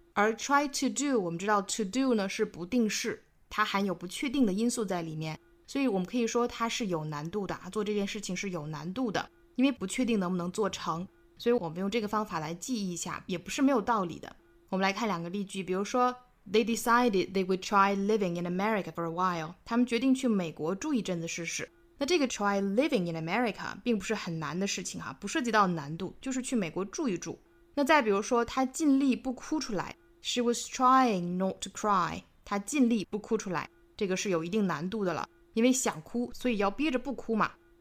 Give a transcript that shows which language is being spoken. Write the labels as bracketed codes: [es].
[zh] 而 try to do， 我们知道 to do 呢是不定式，它含有不确定的因素在里面，所以我们可以说它是有难度的，做这件事情是有难度的，因为不确定能不能做成，所以我们用这个方法来记忆一下也不是没有道理的。我们来看两个例句，比如说 [en] They decided they would try living in America for a while. [zh] 他们决定去美国住一阵子试试。那这个 [en] try living in America [zh] 并不是很难的事情哈，不涉及到难度，就是去美国住一住。那再比如说，她尽力不哭出来。 [en] She was trying not to cry. [zh] 她尽力不哭出来，这个是有一定难度的了，因为想哭，所以要憋着不哭嘛。